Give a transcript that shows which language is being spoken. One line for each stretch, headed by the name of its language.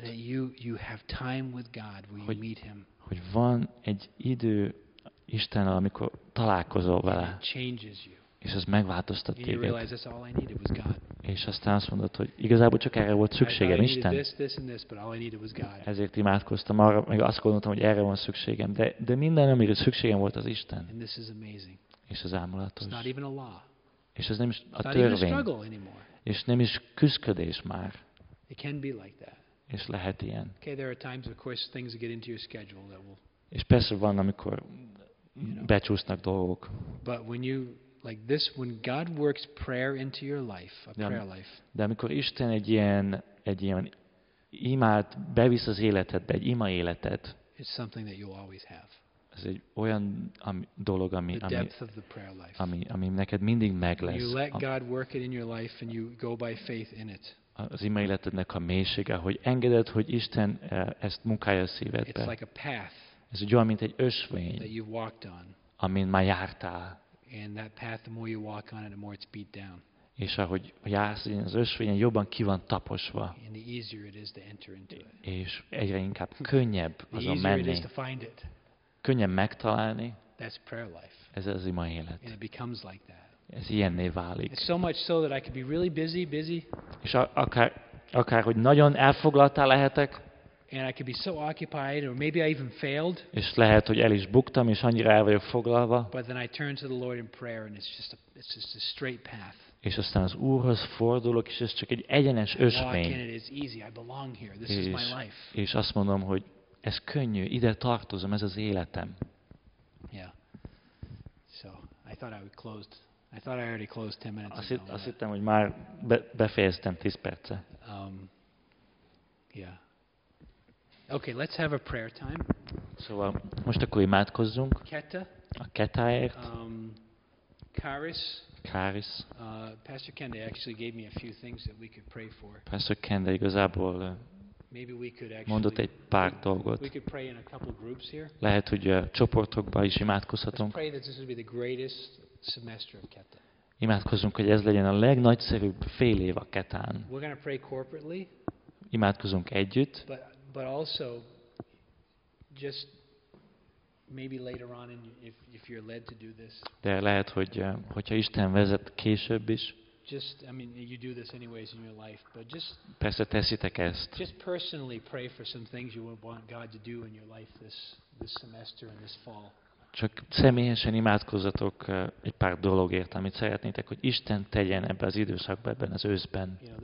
English: That you have time with God where you meet him.
Hungarian: Hogy van egy idő Istennel, amikor találkozol vele.
English: It changes you.
Hungarian: És ez megváltoztat téged.
English: You realize that's all I needed was God.
Hungarian: És aztán azt mondod, hogy igazából csak erre volt szükségem, Isten.
English: This,
Hungarian: ezért imádkoztam arra, meg azt gondoltam, hogy erre van szükségem. De minden, amire szükségem volt, az Isten. És ez ámulatos. És ez nem is a törvény. És nem is küszködés már.
English: Like
Hungarian: és lehet ilyen.
English: Okay, there are times, of course, things get into your schedule that will...
Hungarian: És persze van, amikor becsúsznak dolgok.
English: But when you... Like this, when God works prayer into your life, a prayer life.
Hungarian: De amikor Isten egy ilyen imád, bevisz az életedbe, egy ima életed.
English: It's something that you always have.
Hungarian: Ez egy olyan dolog, ami,
English: the depth of the prayer life.
Hungarian: Ami neked mindig meg lesz.
English: You let God work it in your life and you go by faith in it.
Hungarian: Az ima életednek a mélysége, hogy engeded, hogy Isten ezt munkálja a szívedbe.
English: It's like a path.
Hungarian: Ez egy olyan, mint egy ösvény,
English: that you've walked on.
Hungarian: Amin már jártál.
English: And that path, the more you walk on it, the more it's beat down.
Hungarian: És ahogy jársz, az ösvényen jobban ki van taposva.
English: And the easier it is to enter into it.
Hungarian: És egyre inkább könnyebb azon menni.
English: The easier it is to find it.
Hungarian: Könnyebb megtalálni.
English: That's prayer life.
Hungarian: Ez az ima élet.
English: And it becomes like that.
Hungarian: Ez ilyenné válik.
English: It's so much so that I could be really busy.
Hungarian: És akár hogy nagyon elfoglaltá lehetek.
English: And I could be so occupied, or maybe I even failed.
Hungarian: És lehet, hogy el is buktam, és annyira el vagyok foglalva.
English: But then I turn to the Lord in prayer, and it's just a straight path.
Hungarian: És aztán az Úrhoz fordulok, és ez csak egy egyenes ösvény.
English: And it's easy. I belong here. This is my life.
Hungarian: És azt mondom, hogy ez könnyű, ide tartozom, ez az életem.
English: Yeah. So I thought I would close. I thought I already closed 10 minutes.
Hungarian: Azt hittem, hogy már befejeztem 10 perce.
English: Yeah. Okay, let's have a prayer time.
Hungarian: Szóval most akkor imádkozzunk.
English: Keta.
Hungarian: A Ketáért.
English: Karis. Pastor Kende actually gave me a few things that we could pray for.
Hungarian: Pastor Kende igazából
English: maybe we could actually,
Hungarian: mondott egy pár dolgot.
English: We could pray in a couple groups here.
Hungarian: Lehet, hogy a csoportokban is imádkozhatunk.
English: Let's pray that this would be the greatest semester of Keta.
Hungarian: Imádkozzunk, hogy ez legyen a legnagyszerűbb fél év a Ketán.
English: We're going to pray corporately.
Hungarian: Imádkozunk együtt.
English: But also just maybe later on in if you're led to do this.
Hungarian: De lehet, hogyha Isten vezet később is.
English: Just I mean you do this anyways in your life, but just
Hungarian: persze teszitek ezt.
English: Just personally pray for some things you would want God to do in your life this semester and this fall.
Hungarian: Csak személyesen imádkozzatok egy pár dologért, amit szeretnétek, hogy Isten tegyen ebben az időszakban, ebben az őszben.